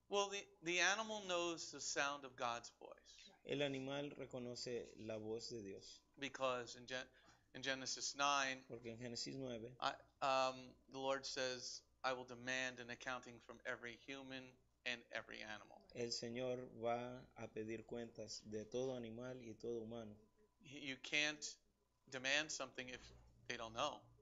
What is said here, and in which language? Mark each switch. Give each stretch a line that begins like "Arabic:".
English: Well, the animal knows the sound of God's voice.
Spanish: El animal reconoce la voz de Dios.
English: Because in Genesis 9,
Spanish: porque en Génesis 9,
English: the Lord says, "I will demand an accounting from every human and every animal."
Spanish: El Señor va a pedir cuentas de todo animal y todo humano.
English: You can't demand something if they don't know.